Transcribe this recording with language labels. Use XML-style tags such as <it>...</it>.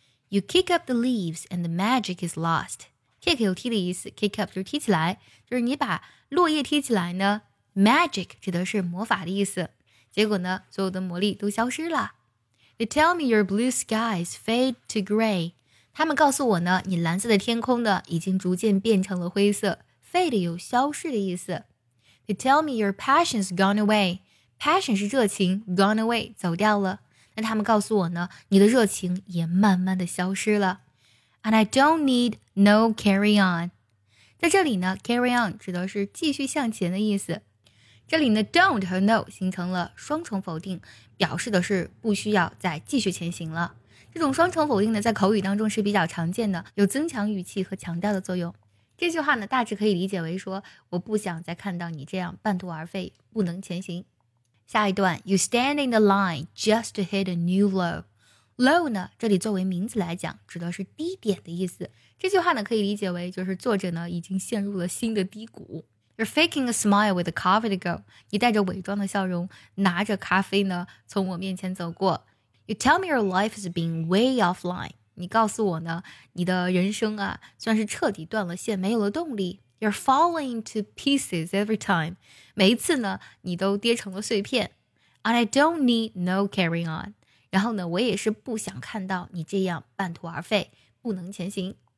<en>You kick up the leaves and the magic is lost.</en> <zh>Kick 有踢的意思， kick up 就是踢起来，就是你把落叶踢起来呢， magic 指的是魔法的意思，结果呢所有的魔力都消失了。</zh> <en>They tell me your blue skies fade to gray.</en> <zh>他们告诉我呢你蓝色的天空呢已经逐渐变成了灰色， fade 有消失的意思。</zh> <en>They tell me your passion's gone away.</en> <zh>Passion 是热情， gone away 走掉了，那他们告诉我呢你的热情也慢慢的消失了。</zh> <en>And I don't need no carry on.</en> <zh>在这里呢 carry on 指的是继续向前的意思，这里呢 don't 和 no 形成了双重否定，表示的是不需要再继续前行了。这种双重否定呢在口语当中是比较常见的，有增强语气和强调的作用。这句话呢大致可以理解为说，我不想再看到你这样半途而废不能前行。下一段</zh> <en>You stand in the line just to hit a new low.</en> <zh>Low 呢这里作为名字来讲指的是低点的意思，这句话呢可以理解为就是作者呢已经陷入了新的低谷。</zh> <en>You're faking a smile with a coffee to go.</en> <zh>你带着伪装的笑容拿着咖啡呢从我面前走过。</zh> <en>You tell me your life has been way offline.</en> <zh>你告诉我呢你的人生啊算是彻底断了线，没有了动力。</zh> <en>You're falling to pieces every time.</en> <zh>每一次呢你都跌成了碎片。</zh> <en>And I don't need no carry on.</en> <zh>然后呢我也是不想看到你这样半途而废不能前行。</zh>